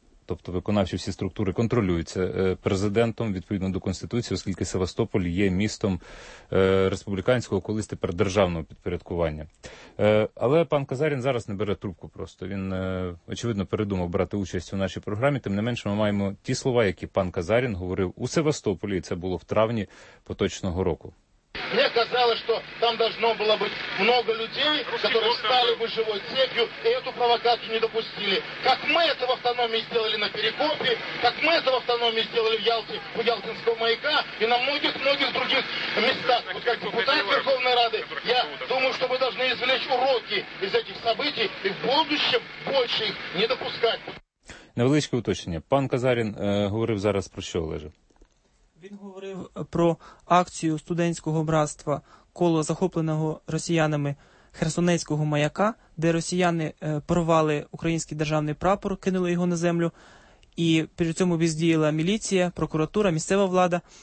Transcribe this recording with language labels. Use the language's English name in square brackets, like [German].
[Ukrainian] тобто виконавчі всі структури, контролюються президентом відповідно до Конституції, оскільки Севастополь є містом республіканського, колись тепер державного підпорядкування. Але пан Казарін зараз не бере трубку просто. Він, очевидно, передумав брати участь у нашій програмі. Тим не менше, ми маємо ті слова, які пан Казарін говорив у Севастополі, і це було в травні поточного року. [Russian] Мне казалось, что там должно было быть много людей, которые стали бы живой цепью, и эту провокацию не допустили. Как мы это в автономии сделали на Перекопе, как мы это в автономии сделали в Ялте, у Ялтинского маяка и на многих-многих других местах. Вот как депутат Верховной Рады, я думаю, что мы должны извлечь уроки из этих событий и в будущем больше их не допускать. [Ukrainian] Невеличке уточнення. Пан Казарін говорив зараз про що, Олеже? Він говорив про акцію студентського братства коло захопленого росіянами Херсонецького маяка, де росіяни порвали український державний прапор, кинули його на землю, і при цьому бездіяла міліція, прокуратура, місцева влада.